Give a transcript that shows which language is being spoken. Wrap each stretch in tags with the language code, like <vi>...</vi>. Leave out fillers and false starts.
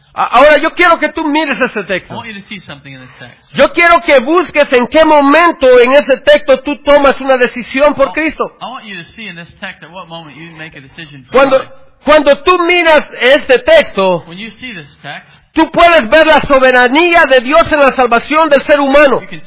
<es>Ahora yo quiero que tú mires ese texto.</es> <en>I want you to see something in this text.</en> <es>Yo quiero que busques en qué momento en ese texto tú tomas una decisión por Cristo.</es> <en>I want you to see in this text at what moment you make a decision for Christ.</en> <es>Cuando tú miras este texto,</es> <en>when you see this text,</en> <es>tú puedes ver la soberanía de Dios en la salvación del ser humano.</es>